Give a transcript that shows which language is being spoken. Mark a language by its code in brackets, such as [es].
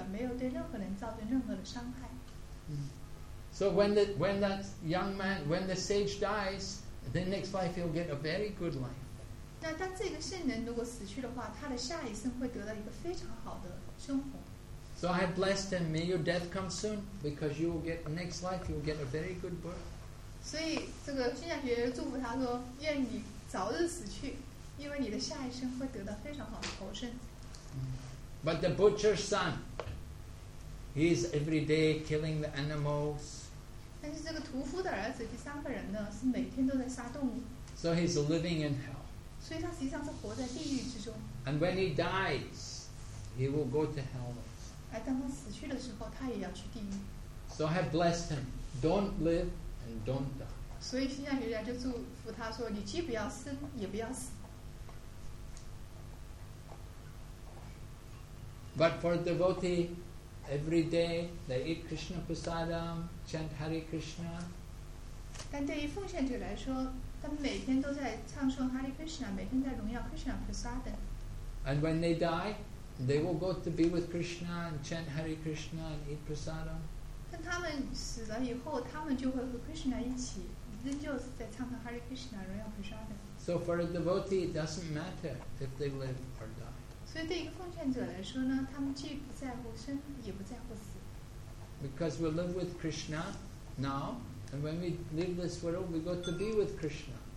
[zh] 第二个来的人呢，是一个圣人和他的儿子，他们在森林里居住着，没有对任何人造成任何的伤害。 [en] So when the sage dies, the next life he'll get a very good life. [zh] 那当这个圣人如果死去的话，他的下一生会得到一个非常好的生活。 [en] So I have blessed him. May your death come soon, because you will get next life. You will get a very good birth. [zh] 所以这个星象学家祝福他说，愿你早日死去，因为你的下一生会得到非常好的投生。 [en] But the butcher's son, he is every day killing the animals. [zh] 但是这个屠夫的儿子，第三个人呢，是每天都在杀动物。 [en] So he's living in hell. [zh] 所以他实际上是活在地狱之中。 [en] And when he dies, he will go to hell. [zh] 而当他死去的时候，他也要去地狱。 [en] So I have blessed him. Don't live and don't die. [zh] 所以星象学家就祝福他说，你既不要生，也不要死。 [en] But for devotee, every day they eat Krishna prasadam, chant Hare Krishna. [zh] 但对于奉献者来说，他们每天都在唱诵 Hare Krishna， 每天在荣耀 Krishna prasadam. [en] And when they die, they will go to be with Krishna and chant Hare Krishna and eat prasadam. [zh] 但他们死了以后，他们就会和 Krishna 一起，仍旧在唱诵 Hare Krishna， 荣耀 prasadam. [en] So for a devotee, it doesn't matter if they live or die. [zh] 所以对一个奉献者来说呢，他们既不在乎生，也不在乎死。 [en] Because we live with Krishna now, and when we leave this world, we go to be with Krishna.